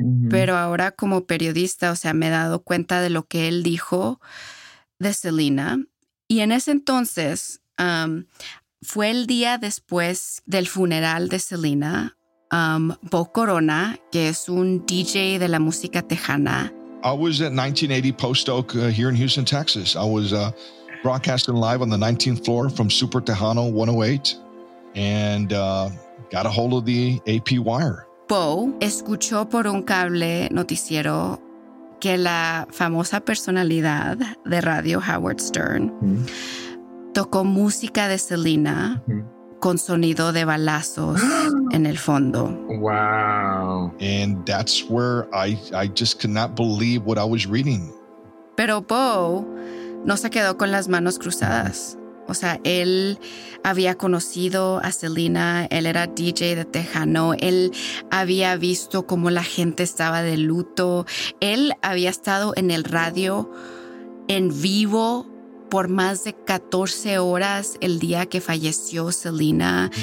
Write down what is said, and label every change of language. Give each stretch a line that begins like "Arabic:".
Spanish: Pero ahora como periodista, o sea, me he dado cuenta de lo que él dijo de Selena. Y en ese entonces, fue el día después del funeral de Selena, Bo Corona, que es un DJ de la música tejana.
English: I was at 1980 Post Oak here in Houston, Texas. I was... broadcasting live on the 19th floor from Super Tejano 108 and got a hold of the AP wire.
Spanish: Bo escuchó por un cable noticiero que la famosa personalidad de radio Howard Stern tocó música de Selena con sonido de balazos en el fondo. Wow.
English: And that's where I just could not believe what I was reading.
Spanish: Pero Bo no se quedó con las manos cruzadas. O sea, él había conocido a Selena, él era DJ de Tejano, él había visto cómo la gente estaba de luto, él había estado en el radio en vivo por más de 14 horas el día que falleció Selena.